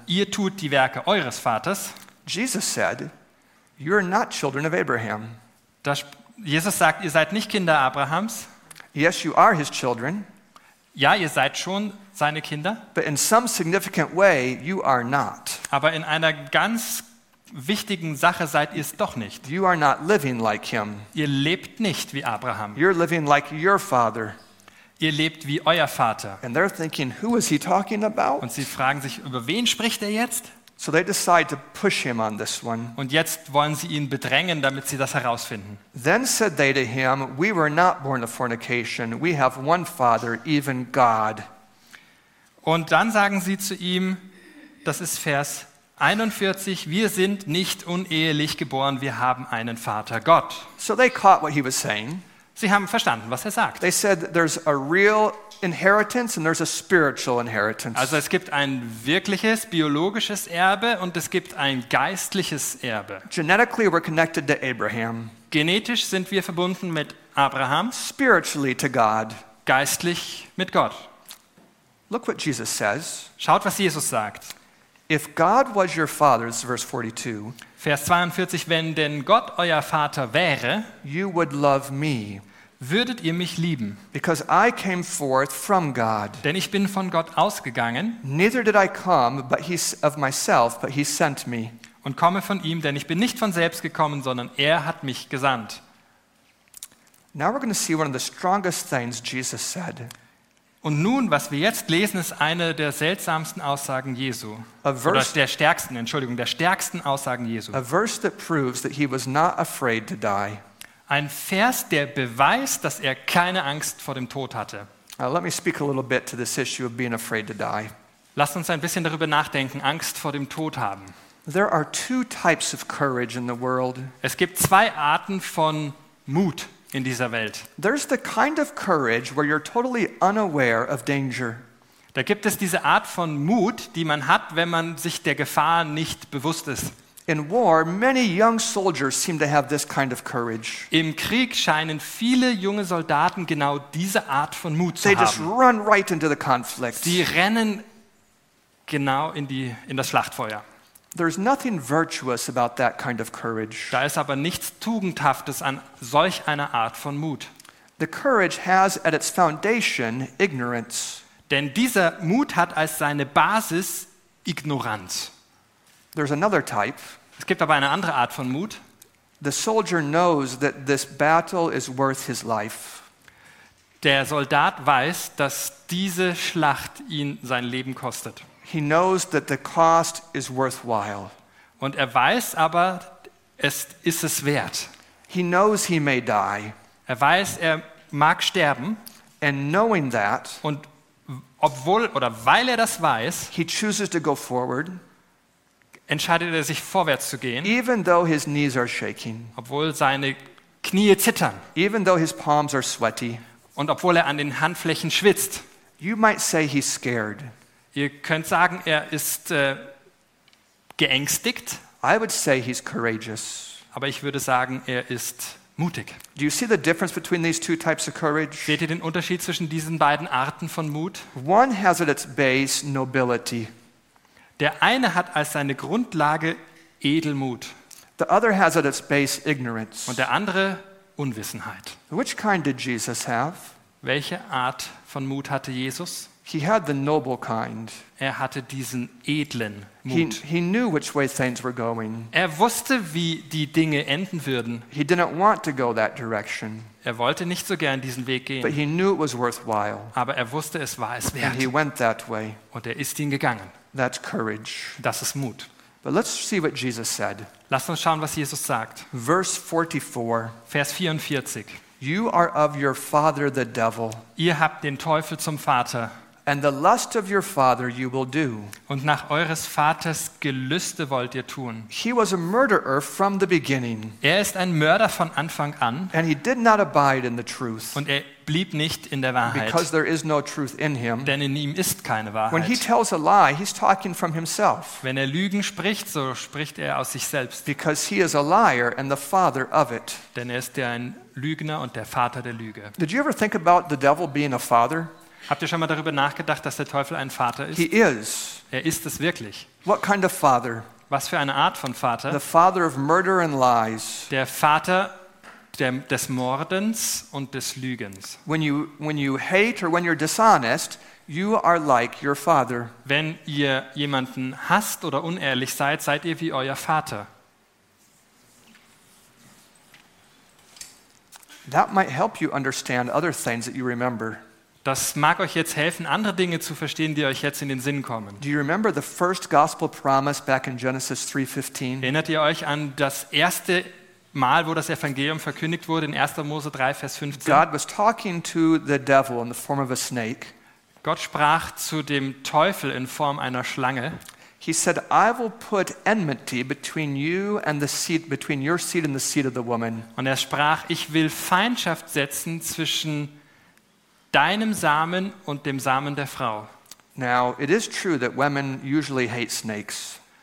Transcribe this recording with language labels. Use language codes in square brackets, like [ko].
[de] Ihr tut die Werke eures Vaters. [en] Jesus said, you are not children of Abraham. [de] Jesus sagt, ihr seid nicht Kinder Abrahams. [en] Yes, you are his children. [de] Ja, ihr seid schon seine Kinder. [en] But in some significant way, you are not. [de] Aber in einer ganz wichtigen Sache seid ihr es doch nicht. [en] You are not living like him. [de] Ihr lebt nicht wie Abraham. [en] You're living like your father. [de] Ihr lebt wie euer Vater. [en] And they're thinking, who is he talking about? [de] Und sie fragen sich, über wen spricht er jetzt? [en] So they decide to push him on this one. [de] Und jetzt wollen sie ihn bedrängen, damit sie das herausfinden. [en] Then said they to him, we were not born of fornication, we have one father, even God. [de] Und dann sagen sie zu ihm, das ist Vers 41, wir sind nicht unehelich geboren, wir haben einen Vater, Gott. [en] So they caught what he was saying. [de] Sie haben verstanden, was er sagt. [en] They said there's a real inheritance and there's a spiritual inheritance. [de] Also es gibt ein wirkliches biologisches Erbe und es gibt ein geistliches Erbe. [en] Genetically we're connected to Abraham. [de] Genetisch sind wir verbunden mit Abraham. [en] Spiritually to God. [de] Geistlich mit Gott. [en] Look what Jesus says. [de] Schaut, was Jesus sagt. [en] If God was your father, this is verse 42. [de] Vers 42, wenn denn Gott euer Vater wäre, [en] you would love me. [de] Würdet ihr mich lieben? [en] Because I came forth from God. [de] Denn ich bin von Gott ausgegangen. [en] Neither did I come but he of myself, but he sent me. [de] Und komme von ihm, denn ich bin nicht von selbst gekommen, sondern er hat mich gesandt. [en] Now we're going to see one of the strongest things Jesus said. [de] Und nun, was wir jetzt lesen, ist eine der seltsamsten Aussagen Jesu. Der stärksten Aussagen Jesu. [en] A verse that proves that he was not afraid to die. [de] Ein Vers, der beweist, dass er keine Angst vor dem Tod hatte. [en] Let me speak a little bit to this issue of being afraid to die. [de] Lasst uns ein bisschen darüber nachdenken, Angst vor dem Tod haben. [en] There are two types of courage in the world. [de] Es gibt zwei Arten von Mut in dieser Welt. [en] There's the kind of courage where you're totally unaware of danger. [de] Da gibt es diese Art von Mut, die man hat, wenn man sich der Gefahr nicht bewusst ist. [en] In war, many young soldiers seem to have this kind of courage. [de] Im Krieg scheinen viele junge Soldaten genau diese Art von Mut zu haben. [en] They just run right into the conflict. [de] Die rennen genau in das Schlachtfeuer. [en] There's nothing virtuous about that kind of courage. [de] Da ist aber nichts Tugendhaftes an solch einer Art von Mut. [en] The courage has at its foundation ignorance. [de] Denn dieser Mut hat als seine Basis Ignoranz. [en] There's another type. [de] Es gibt aber eine andere Art von Mut. [en] The soldier knows that this battle is worth his life. [de] Der Soldat weiß, dass diese Schlacht ihn sein Leben kostet. [en] He knows that the cost is worthwhile. [de] Und er weiß aber, ist es wert. [en] He knows he may die. [de] Er weiß, er mag sterben. [en] And knowing that, [de] und obwohl oder weil er das weiß, [en] he chooses to go forward. [de] Entscheidet er sich, vorwärts zu gehen. [en] Even though his knees are shaking. [de] Obwohl seine Knie zittern. [en] Even though his palms are sweaty. [de] Und obwohl er an den Handflächen schwitzt. [en] You might say he's scared. [de] Ihr könnt sagen, er ist geängstigt. [en] I would say he's courageous. [de] Aber ich würde sagen, er ist mutig. [en] Do you see the difference between these two types of courage? [de] Seht ihr den Unterschied zwischen diesen beiden Arten von Mut? [en] One has at its base nobility. [de] Der eine hat als seine Grundlage Edelmut. [en] The other has at its base ignorance. [de] Und der andere Unwissenheit. [en] Which kind did Jesus have? [de] Welche Art von Mut hatte Jesus? [en] He had the noble kind. [de] Er hatte diesen edlen Mut. [en] He knew which way things were going. [de] Er wusste, wie die Dinge enden würden. [en] He didn't want to go that direction. [de] Er wollte nicht so gern diesen Weg gehen. [en] But he knew it was worthwhile. [de] Aber er wusste, es war es wert. [en] And he went that way. [de] Und er ist ihn gegangen. [en] That's courage. [de] Das ist Mut. [en] But let's see what Jesus said. [de] Lasst uns schauen, was Jesus sagt. [en] Verse 44. [de] Vers 44. [en] You are of your father the devil. [de] Ihr habt den Teufel zum Vater. [en] And the lust of your father you will do. [de] Und nach eures Vaters Gelüste wollt ihr tun. [en] He was a murderer from the beginning. [de] Er ist ein Mörder von Anfang an. [en] And he did not abide in the truth. [de] Und er blieb nicht in der Wahrheit. [en] Because there is no truth in him. [de] Denn in ihm ist keine Wahrheit. [en] When he tells a lie, he's talking from himself. [de] Wenn er Lügen spricht, so spricht er aus sich selbst. [en] Because he is a liar and the father of it. [de] Denn er ist ein Lügner und der Vater der Lüge. [en] Did you ever think about the devil being a father? [de] Habt ihr schon mal darüber nachgedacht, dass der Teufel ein Vater ist? [en] He is. [de] Er ist es wirklich. [en] What kind of father? [de] Was für eine Art von Vater? [en] The father of murder and lies. [de] Der Vater des Mordens und des Lügens. [en] When you hate or when you're dishonest, you are like your father. [de] Wenn ihr jemanden hasst oder unehrlich seid, seid ihr wie euer Vater. [en] That might help you understand other things that you remember. [de] Das mag euch jetzt helfen, andere Dinge zu verstehen, die euch jetzt in den Sinn kommen. [en] Do you remember the first gospel promise back in Genesis 3:15? [de] Erinnert ihr euch an das erste Mal, wo das Evangelium verkündigt wurde in 1. Mose 3, Vers 15? [en] God was talking to the devil in the form of a snake. [de] Gott sprach zu dem Teufel in Form einer Schlange. [en] He said, "I will put enmity between you and the seed, between your seed and the seed of the woman." [de] Und er sprach, ich will Feindschaft setzen zwischen deinem Samen und dem Samen der Frau. [en] Now, it is true that women usually hate snakes.